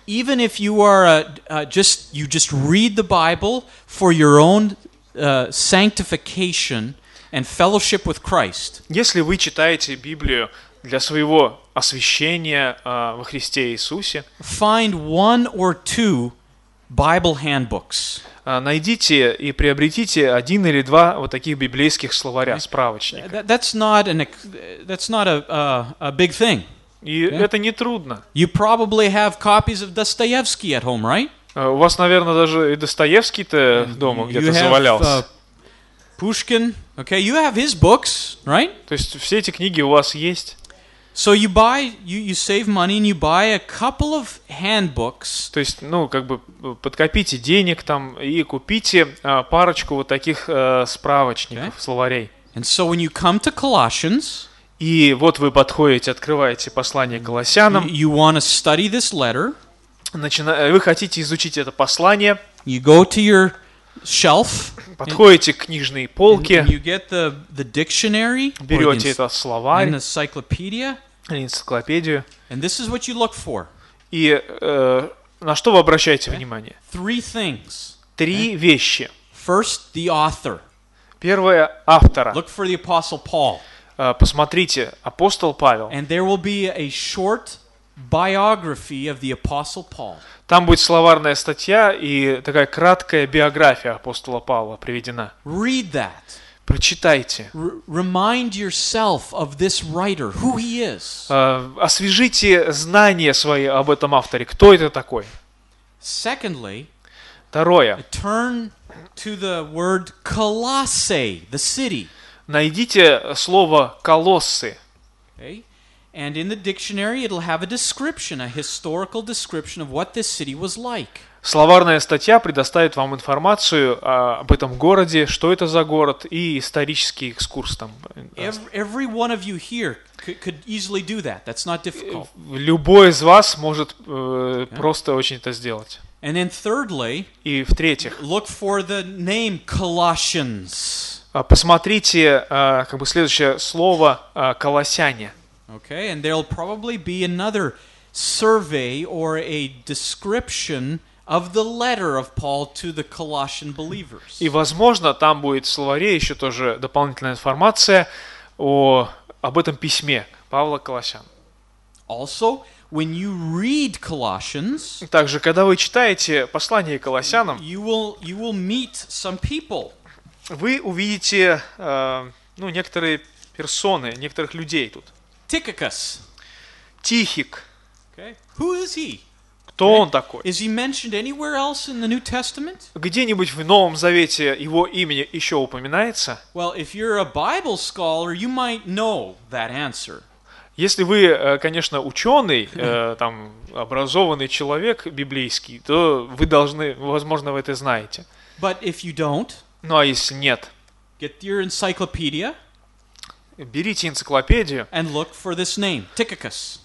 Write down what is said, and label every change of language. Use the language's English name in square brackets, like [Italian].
[English] Even if you are you just read the Bible for your own sanctification and fellowship with Christ. [Russian] Если вы читаете Библию для своего освящения во Христе Иисусе, [English] find one or two Bible handbooks. [Russian] Найдите и приобретите один или два вот таких библейских словаря, справочника. [English] That's not a big thing. [Russian] И okay. Это не трудно. [English] You probably have copies of Dostoevsky at home, right? [Russian] У вас, наверное, даже и Достоевский-то дома где-то завалялся. [English] Пушкин, okay? You have his books, right? [Russian] То есть все эти книги у вас есть. [English] So you buy, you save money and you buy a couple of handbooks. [Russian] То есть, ну, как бы подкопите денег там и купите парочку вот таких справочников, okay. Словарей. [English] And so when you come to Colossians. [Russian] И вот вы подходите, открываете послание Колоссянам. [English] You want to study this letter. [Russian] Вы хотите изучить это послание. [English] You go to your shelf. [Russian] Подходите к книжной полке. [English] And you get the dictionary. [Russian] Берете это словарь. [English] An encyclopedia. [Russian] Энциклопедию. [English] And this is what you look for. [Russian] И на что вы обращаете внимание? [English] Three things. [Russian] Три вещи. [English] First, the author. [Russian] Первое, автора. [English] Look for the apostle Paul. [Russian] Посмотрите, апостол Павел. [English] And there will be a short biography of the apostle Paul. [Russian] Там будет словарная статья и такая краткая биография апостола Павла приведена. [English] Read that. [Russian] Прочитайте. [English] Remind yourself of this writer, who he is. [Russian] Освежите знания свои об этом авторе. Кто это такой? [English] Secondly. [Russian] Второе. [English] Turn to the word Colossae, the city. [Russian] Найдите слово «колоссы». [English] Okay. And in the dictionary it'll have a description, a historical description of what this city was like. [Russian] Словарная статья предоставит вам информацию об этом городе, что это за город и исторический экскурс там. [English] Every one of you here could easily do that. That's not difficult. [Russian] Любой из вас может просто очень это сделать. [English] And then thirdly, [Russian] и в-третьих, [English] look for the name Colossians. [Russian] Посмотрите, как бы следующее слово «Колоссяне». [English] Okay, and there'll probably be another survey or a description of the letter of Paul to the Colossian believers. [Russian] И возможно, там будет в словаре еще тоже дополнительная информация об этом письме Павла к Колоссянам. [English] Also, when you read Colossians, [Russian] также когда вы читаете послание к Колоссянам, [English] you will meet some people. [Russian] Вы увидите, некоторые персоны, некоторых людей тут. [English] Tychicus. [Russian] Тихик. [English] Okay. Who is he? [Russian] Кто он такой? [English] Is he mentioned anywhere else in the New Testament? [Russian] Где-нибудь в Новом Завете его имя еще упоминается? [English] Well, if you're a Bible scholar, you might know that answer. [Russian] Если вы, конечно, ученый, там образованный человек библейский, то вы должны, возможно, вы это знаете. [English] But if you don't, [Russian] ну а если нет, [English] get your encyclopedia. [Russian] Берите энциклопедию. [English] And look for this name, Tychicus.